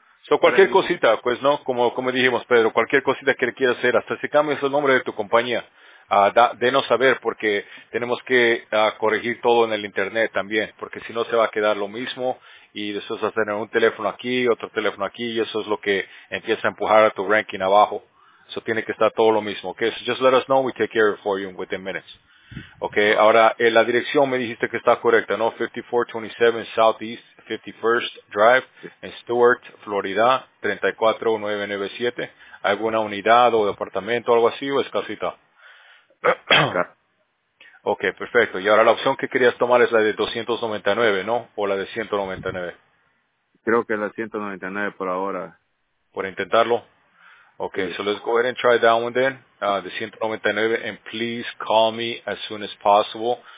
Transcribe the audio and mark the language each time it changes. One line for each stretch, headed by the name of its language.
Spanish: So cualquier cosita, pues no, como dijimos Pedro, cualquier cosita que quieras hacer, hasta si cambias el nombre de tu compañía. Denos saber, porque tenemos que corregir todo en el internet también, porque si no se va a quedar lo mismo y después vas a tener un teléfono aquí, otro teléfono aquí, y eso es lo que empieza a empujar a tu ranking abajo. Eso tiene que estar todo lo mismo, ¿ok?
English: So just let us know, we take care of it for you within minutes.
Spanish: Ok, ahora la dirección me dijiste que está correcta, ¿no? 5427 Southeast 51st Drive en Stuart, Florida, 34997. ¿Alguna unidad o departamento o algo así o es casita? Okay, perfecto. Y ahora la opción que querías tomar es la de 299, ¿no? O la de 199. Creo que la 199 por ahora. ¿Por intentarlo?
English: Okay, sí. So let's go ahead and try that one then. De 199, and please call me as soon as possible.